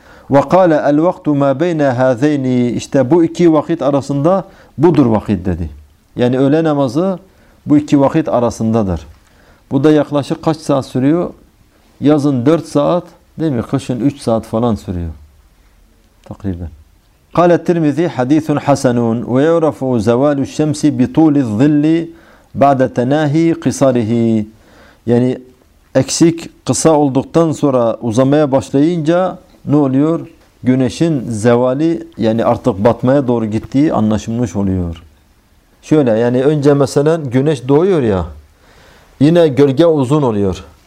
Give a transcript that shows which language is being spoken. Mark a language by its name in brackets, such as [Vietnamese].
[Arabic] Ve kâle el vaktu mâ beyne hâzeyni, [Turkish] işte bu iki vakit arasında budur vakit dedi. Yani öğle namazı bu iki vakit arasındadır. Bu da yaklaşık kaç saat sürüyor? Yazın 4 saat değil mi? Kışın 3 saat falan sürüyor. Takriben. [Arabic] قال الترمذي حديث حسن ويعرف زوال الشمس بطول الظل بعد تناهي قصاره. [Turkish] Yani eksik, kısa olduktan sonra uzamaya başlayınca ne oluyor? Güneşin zevali, yani artık batmaya doğru gittiği anlaşılmış oluyor. Şöyle yani, önce mesela güneş doğuyor ya, yine gölge uzun oluyor.